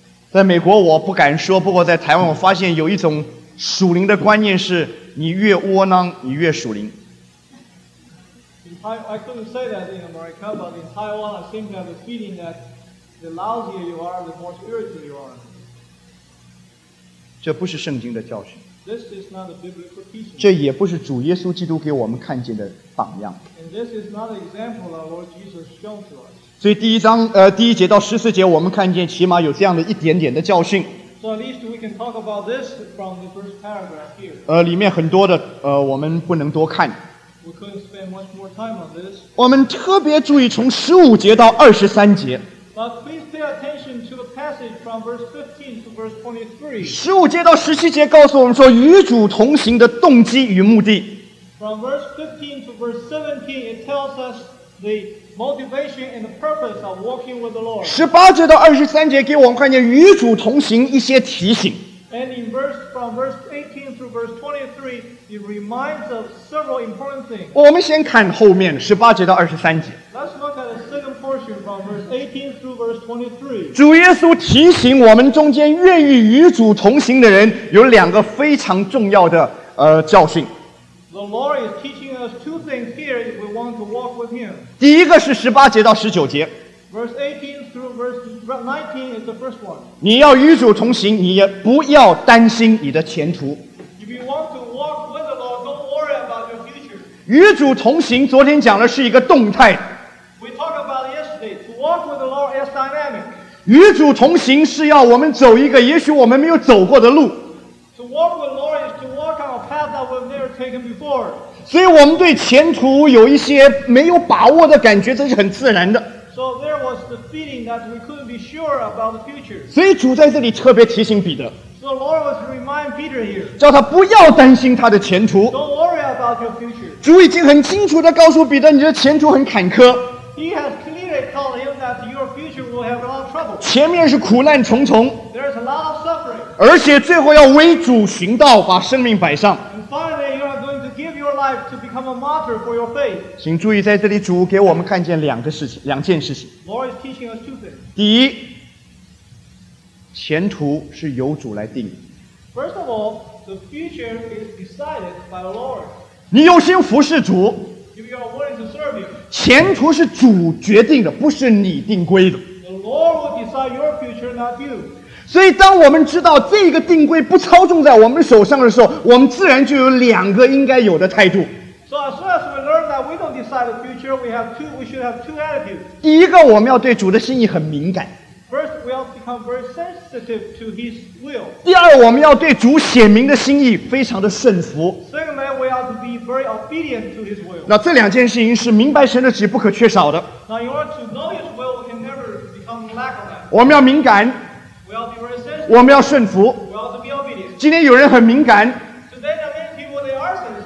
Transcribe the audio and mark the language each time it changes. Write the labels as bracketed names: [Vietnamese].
[Chinese] 在美国我不敢说，不过在台湾我发现有一种属灵的观念，是你越窝囊你越属灵。 [English] I couldn't say that in America, but in Taiwan, I seem to have a feeling that the lousier you are, the more spiritual you are. [Chinese] 这不是圣经的教训。 [English] This is not a biblical teaching. [Chinese] 这也不是主耶稣基督给我们看见的榜样。 [English] And this is not an example our Lord Jesus showed to us. [Chinese] 所以第一章第一节到十四节，我们看见起码有这样的一点点的教训。 [English] So at least we can talk about this from the first paragraph here. [Chinese] 里面很多的我们不能多看。 [English] We couldn't spend much more time on this. [Chinese] 我们特别注意从十五节到二十三节。 [English] But please pay attention to the passage from verse 15 to verse 23. [Chinese] 十五节到十七节告诉我们说与主同行的动机与目的。 [English] From verse 15 to verse 17, it tells us the motivation and the purpose of walking with the Lord. [Chinese] 十八节到二十三节给我们看见与主同行一些提醒。 [English] And in from verse 18 through verse 23,It reminds of several important things. [Chinese] 我们先看后面十八节到二十三节。 [English] Let's look at the second portion from verse 18 through verse 23. [Chinese] 主耶稣提醒我们中间愿意与主同行的人有两个非常重要的教训。 [English] The Lord is teaching us two things here if we want to walk with Him. [Chinese] 第一个是十八节到十九节。 [English] Verse 18 through verse 19 is the first one. [Chinese] 你要与主同行，你也不要担心你的前途。 [English] If you want to walk with the Lord, don't worry about your future. [Chinese] 与主同行，昨天讲的是一个动态。 [English] We talk about yesterday. To walk with the Lord is dynamic. [Chinese] 与主同行是要我们走一个也许我们没有走过的路。 [English] To walk with the Lord is to walk on a path that we've never taken before. [Chinese] 所以我们对前途有一些没有把握的感觉，这是很自然的。 [English] So there was the feeling that we couldn't be sure about the future. [Chinese] 所以主在这里特别提醒彼得。 [English] So the Lord was reminding Peter here. [Chinese] 叫他不要担心他的前途。 [English] Don't worry about your future. [Chinese] 主已经很清楚地告诉彼得，你的前途很坎坷。 [English] He has clearly told him that your future will have a lot of trouble. [Chinese] 前面是苦难重重。 [English] There is a lot of suffering. [Chinese] 而且最后要为主寻道，把生命摆上。 [English] And finally, you are going to give your life to become a martyr for your faith. [Chinese] 请注意在这里，主给我们看见两个事情，两件事情。 [English] Lord is teaching us two things. [Chinese] 第一，前途是由主来定。 [English] First of all, the future is decided by the Lord. [Chinese] 你有心服侍主。 [English] If you are willing to serve him. [Chinese] 前途是主决定的，不是你定规的。 [English] The Lord will decide your future, not you. [Chinese] 所以当我们知道这个定规不操纵在我们手上的时候，我们自然就有两个应该有的态度。 [English] So as soon as we learn that we don't decide the future, we should have two attitudes. [Chinese] 第一个，我们要对主的心意很敏感。 [English] First, we have become very sensitive to His will. [Chinese] 第二，我们要对主显明的心意非常的顺服。 [English] Secondly, we have to be very obedient to His will. [Chinese] 那这两件事情是明白神的旨不可缺少的。 [English] Now, in order to know His will, we can never become lack of that. [Chinese] 我们要敏感。 [English] We have to be very sensitive. [Chinese] 我们要顺服。 [English] We have to be obedient. [Chinese] 今天有人很敏感。 [English] Today, there are many people they are sensitive.